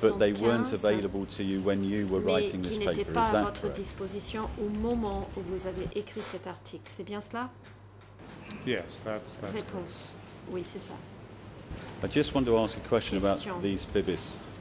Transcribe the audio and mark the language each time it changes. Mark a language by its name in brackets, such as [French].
[English] but they weren't available to you when you were writing this paper, is that correct? [French] Disposition au moment où vous avez écrit cet article. C'est bien cela? [English] Yes, that's [French] réponse. [English] Correct. [French] Oui, c'est ça. [English] I just want to ask a question about these FIBIS.